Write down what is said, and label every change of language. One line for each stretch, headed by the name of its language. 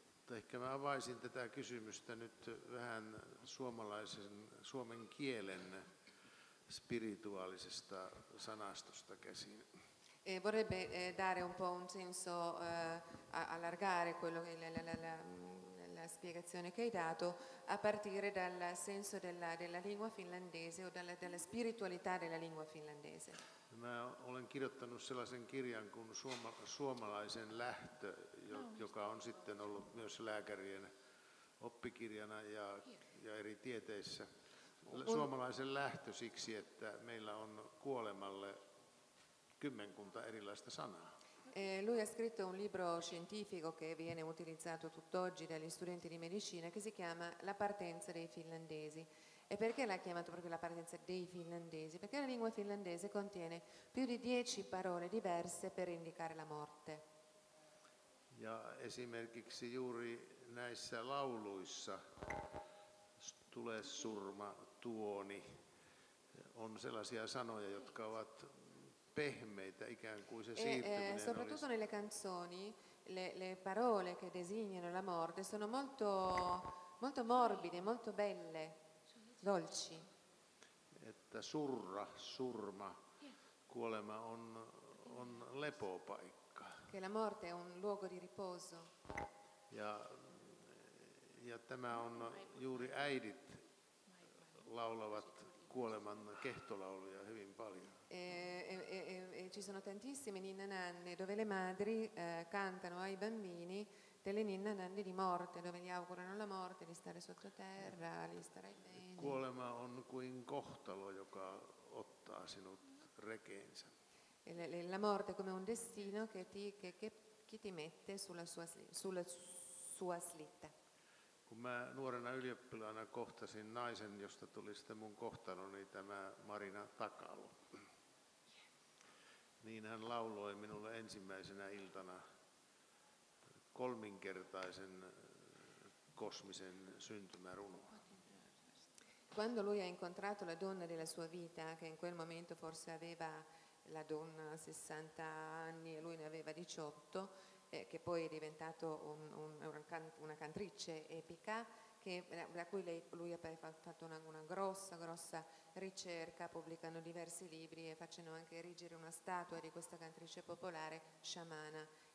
Finnish: Ehkä mä avaisin tätä kysymystä nyt vähän suomen kielen spirituaalisesta sanastosta käsin.
Italian: E vorrebbe dare un po' un senso, allargare quello che la spiegazione che hai dato a partire dal senso della lingua finlandese o della spiritualità della lingua finlandese.
Finnish: Mä olen kirjoittanut sellaisen kirjan kuin suomalaisen lähtö, joka on sitten ollut myös lääkärien oppikirjana ja eri tieteissä. Suomalaisen lähtö siksi, että meillä on kuolemalle kymmenkunta erilaista sanaa.
Italian: Lui ha scritto un libro scientifico che viene utilizzato tutt'oggi dagli studenti di medicina che si chiama La partenza dei finlandesi. E perché l'ha chiamato proprio La partenza dei finlandesi? Perché la lingua finlandese contiene più di 10 parole diverse per indicare la morte.
Finnish: Ja esimerkiksi juuri näissä lauluissa tule surma tuoni on sellaisia sanoja, jotka ovat pehmeitä, ikään kuin se siirtyminen
Italian: soprattutto
Finnish: olisi...
Italian: nelle canzoni le parole che designano la morte sono molto molto morbide, molto belle, dolci.
Finnish: Että surma, kuolema on lepopaikka.
Italian: Che la morte è un luogo di riposo.
Finnish: Ja tämä on juuri äidit laulavat kuoleman kehtolauluja hyvin paljon.
Italian: E ci sono tantissime ninna nanne dove le madri cantano ai bambini delle ninna nanni di morte, dove gli augurano la morte, di stare sottoterra, di stare ai beni.
Finnish: Kuolema on kuin kohtalo, joka ottaa sinut rekeensä.
Italian: La morte come un destino che ti mette sulla sua slitta.
Finnish: Kun mä nuorena ylioppilaana kohtasin naisen, josta tuli sitten mun kohtaloni, niin tämä Marina Takalo. Niin hän lauloi minulle ensimmäisenä iltana kolminkertaisen kosmisen syntymärunoa.
Italian: Quando lui ha incontrato la donna della sua vita, che in quel momento forse aveva la donna 60 anni e lui ne aveva 18, che poi è diventato una cantrice epica, da cui lui ha fatto una grossa ricerca, pubblicando diversi libri e facendo anche erigere una statua di questa cantrice popolare, sciamana.